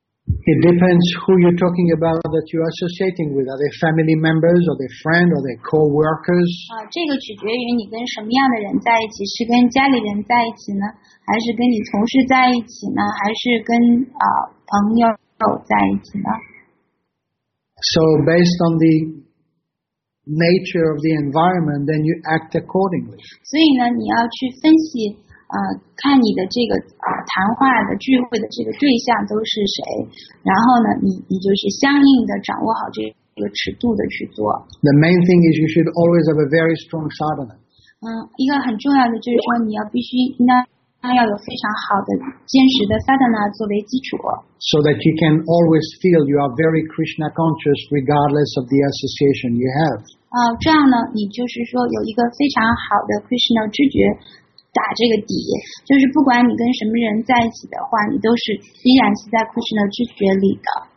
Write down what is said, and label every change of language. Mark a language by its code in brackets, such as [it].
[en] It depends who you're talking about that you're associating with. Are they family members, or their friend, or their co-workers? [zh] 这个取决于你跟什么样的人在一起，是跟家里人在一起呢，还是跟你同事在一起呢，还是跟朋友在一起呢？ [en] So based on the nature of the environment, then you act accordingly. [zh] 所以呢，你要去分析看你的这个谈话的聚会的这个对象都是谁，然后呢，你就是相应的掌握好这个尺度的去做。 [en] The main thing is you should always have a very strong sadhana. [zh] 一个很重要的就是说，你要必须要有非常好的坚实的 sadhana 作为基础。 [en] So that you can always feel you are very Krishna conscious, regardless of the association you have. [zh] 这样呢，你就是说有一个非常好的 Krishna 知觉。打这个底，就是不管你跟什么人在一起的话，你都是依然是在 Krishna 的知觉里的。